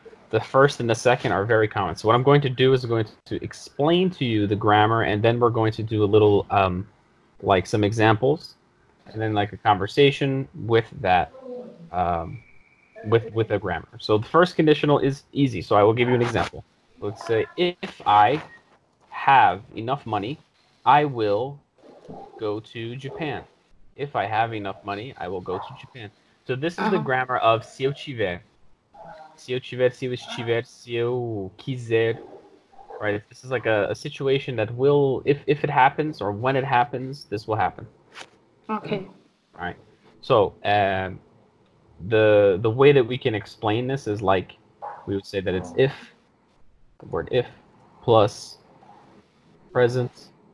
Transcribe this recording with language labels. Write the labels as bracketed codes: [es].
[en] The first and the second are very common. So what I'm going to do is I'm going to explain to you the grammar, and then we're going to do a little, like some examples, and then like a conversation with that, with the grammar. So the first conditional is easy. So I will give you an example. Let's say, if I have enough money, I will go to Japan. If I have enough money, I will go to Japan. So this is the grammar of [pt] se eu tiver. Se eu tiver, se eu estiver, se eu quiser. [en] Right? This is like a situation that will, if it happens or when it happens, this will happen. Okay. All right. So the way that we can explain this is like, we would say that it's if, the word if, plus present.